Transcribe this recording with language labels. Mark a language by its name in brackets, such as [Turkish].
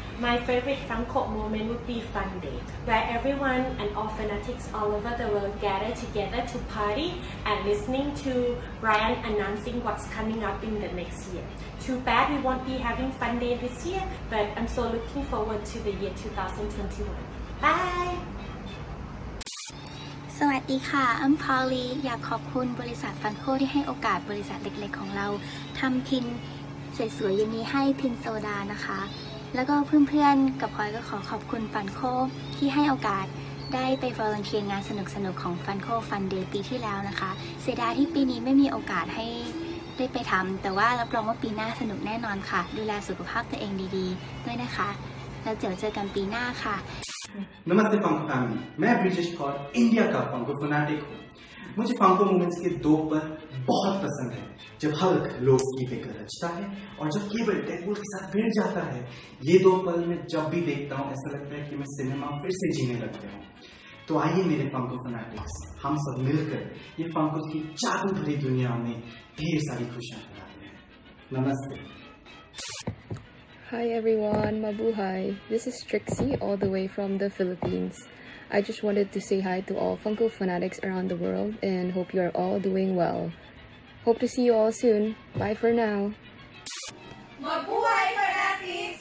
[English] My favorite Funko moment would be Fun Day, where everyone and all fanatics all over the world gather together to party and listening to Brian announcing what's coming up in the next year. Too bad we won't be having Fun Day this year, but I'm so looking forward to the year 2021. Bye! [Thai] สวัสดีค่ะอัมพอลีอยากขอบคุณบริษัทฟันโคที่ให้โอกาสบริษัทเล็กๆของเราทำพินสวยๆอย่างนี้ให้พินโซดานะคะแล้วก็เพื่อนๆกับพอยก็ขอขอบคุณฟันโคที่ให้โอกาสได้ไปฟอลเลนเชียงานสนุกๆของฟันโคฟันเดย์ปีที่แล้วนะคะเสียดายที่ปีนี้ไม่มีโอกาสให้ได้ไปทำแต่ว่ารับรองว่าปีหน้าสนุกแน่นอนค่ะดูแลสุขภาพตัวเองดีๆด้วยนะคะแล้วเจอกันปีหน้าค่ะ [Hindi] नमस्ते Funko family मैं Brijesh Kaur India का Funko fanatic हूँ मुझे Funko moments के दो पर बहुत पसंद है जब हल्क लोग की देकर रचता है और जब केबल डेडपूल के साथ भिड़ जाता है ये दो पल मैं जब भी देखता हूँ ऐसा लगता है कि मैं सिनेमा फिर से जीने लग गया हूँ तो आइए मेरे फंको फनाटिक्स हम सब मिलकर ये फंको की चारों भरी दुनिया में ढेर सारी खुशियां बनाते हैं नमस्ते [English] Hi everyone, mabuhay. This is Trixie all the way from the Philippines. I just wanted to say hi to all Funko fanatics around the world and hope you are all doing well. Hope to see you all soon. Bye for now. Mabuhay fanatics!